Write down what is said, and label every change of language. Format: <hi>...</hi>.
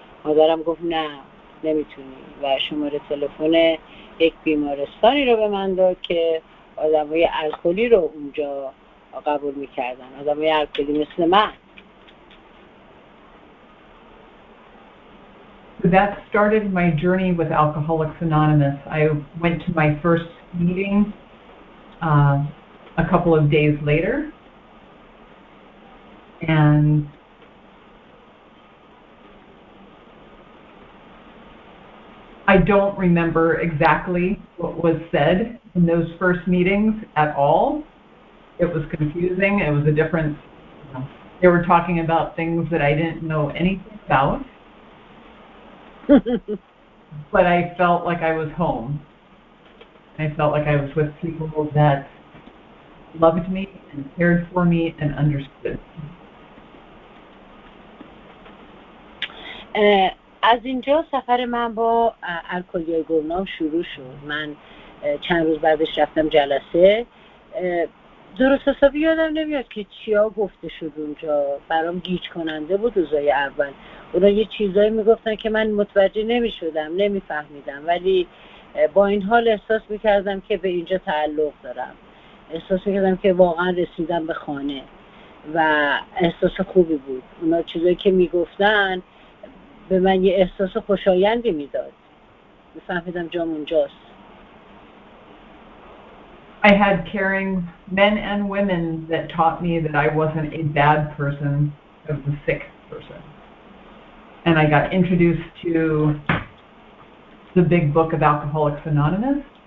<fa>مادرم گفت نه نمیتونی و شماره تلفن یک بیمارستانی رو به من داد که آدمای الکلی رو اونجا قبول میکردن، آدمای الکلی مثل من.</fa> <en>So that started my journey with Alcoholics Anonymous. I went to my first meeting a couple of days later. And I don't remember exactly what was said in those first meetings at all. It was confusing. It was a difference. They were talking about things that I didn't know anything about. But I felt like I was home. I felt like I was with people that loved me and cared for me and understood.</en> <fa>از اینجا سفر من با الکلی‌های گمنام شروع شد. من چند روز بعدش رفتم جلسه. درست حسابی یادم نمیاد که چیا گفته شد اونجا. برام گیج کننده بود روزای اول. اونا یه چیزایی میگفتن که من متوجه نمیشدم، نمیفهمیدم، ولی با این حال احساس میکردم که به اینجا تعلق دارم. احساس میکردم که واقعا رسیدم به خانه و احساس خوبی بود. اونا چیزایی که میگفتن به من یه احساس خوشایندی میداد. فهمیدم جام اونجاست.</fa> <en>I had caring men and women that taught me that I wasn't a bad person, I was a sick person. And I got introduced to the big book of Alcoholics Anonymous.</en>